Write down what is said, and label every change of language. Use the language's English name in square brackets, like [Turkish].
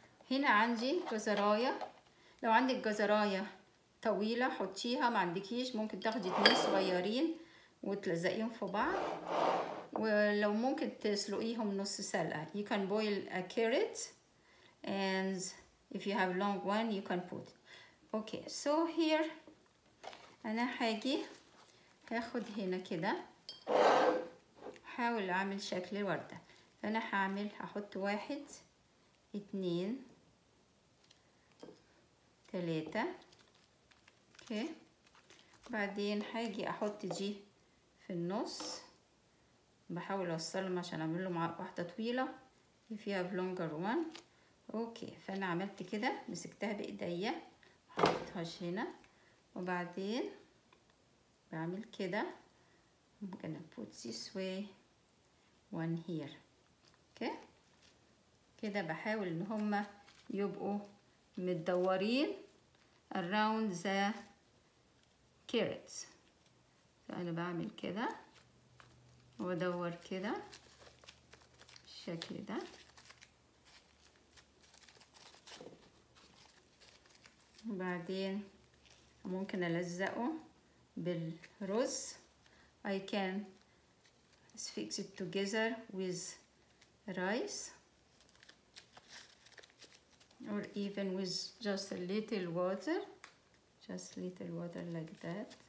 [Arabic] هنا عندي جزراية، لو عندك جزراية طويلة حطيها، ما عندكيش ممكن تاخدي اتنين صغيرين وتلزقيهم في بعض، ولو ممكن تسلقيهم نص سلقة. [English] You can boil a carrot and if you have long one you can put. Okay, so here [Arabic] أنا هاجي هاخد هنا كده، حاول أعمل شكل الوردة. أنا هعمل هحط واحد اتنين تلاتة. [English] Okay. [Arabic] بعدين هاجي أحط دي في النص، بحاول اوصلهم عشان اعمل لهم واحده طويله [English] if you have longer one. [Arabic] اوكي، فانا عملت كده، مسكتها بايديا حطيتهاش هنا، وبعدين بعمل كده. [English] I'm gonna put this way one here. [Arabic] اوكي، كده بحاول ان هم يبقوا متدورين [English] around the carrots. [Arabic] فأنا بعمل كده وادور كده بالشكل ده. وبعدين ممكن ألزقه بالرز. [English] I can fix it together with rice or even with just a little water. Just little water like that.